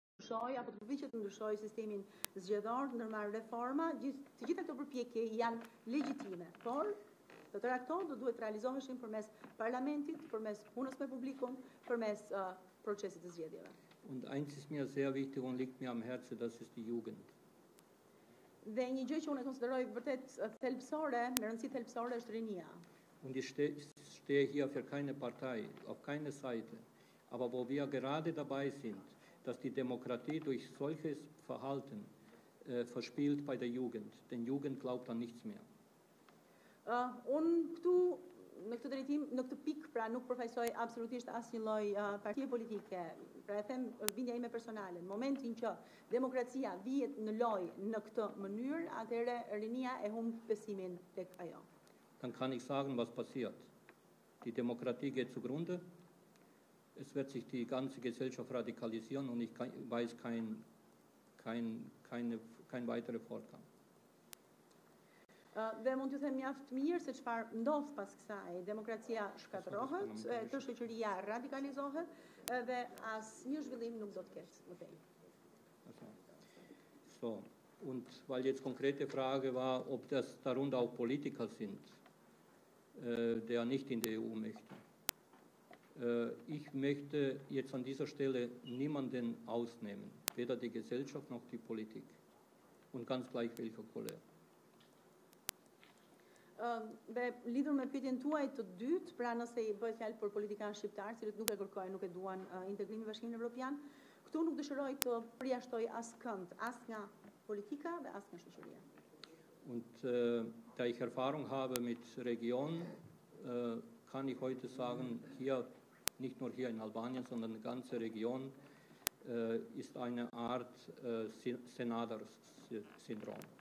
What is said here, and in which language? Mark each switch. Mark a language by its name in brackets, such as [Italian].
[Albanian] Apo përpiqet të ndryshojë sistemin zgjedhor, ndërmarr reforma, të gjitha këto përpjekje janë legjitime, por të tëra këto do duhet të realizoheshin përmes parlamentit, përmes punës me publikun, përmes procesit të zgjedhjeve. [German] Und eins ist mir sehr wichtig und liegt mir am Herzen, das ist die Jugend. [Albanian] Dhe një gjë që unë e konsideroj vërtet thelbësore, me rëndësi thelbësore është rinia. [German] Und ich stehe hier für keine Partei, auf keine Seite, aber wo wir gerade dabei sind, dass die Demokratie durch solches Verhalten verspielt bei der Jugend. Denn Jugend glaubt an nichts mehr. [Albanian] Unë këtu, në këtë drejtim, në këtë pikë, pra nuk përfaqësoj absolutisht asnjë lloj partie politike. Pra e them vendja ime personale. Në momentin që demokracia vihet në lojë në këtë mënyrë, atëherë rinia e humb besimin tek ajo. [German] Dann kann ich sagen, was passiert. Die Demokratie geht zugrunde. Es wird sich die ganze Gesellschaft radikalisieren und ich weiß kein weiterer Fortgang. [Albanian] Dhe mund t'ju them mjaft mirë se çfarë ndodh pas kësaj. Demokracia shkatërrohet, të shoqëria radikalizohet dhe asnjë zhvillim nuk do të ketë më tej. [German] So, und weil jetzt konkrete Frage war, ob das darunter auch Politiker sind, der nicht in der EU möchte. Ich möchte jetzt an dieser Stelle niemanden ausnehmen, weder die Gesellschaft noch die Politik. Und ganz gleich welcher Couleur. [Albanian] Dhe lidhur me pyetjen tuaj të dytë, pra nëse bëhet fjalë për politikanë shqiptarë, cilët nuk e kërkojnë, nuk e duan integrimin në Bashkimin Evropian, këtu nuk dëshiroj të përjashtoj askënd, as nga politika dhe as nga shoqëria. [German] Und da ich Erfahrung habe mit Region, kann ich heute sagen, hier nicht nur hier in Albanien, sondern die ganze Region ist eine Art Senadersyndrom.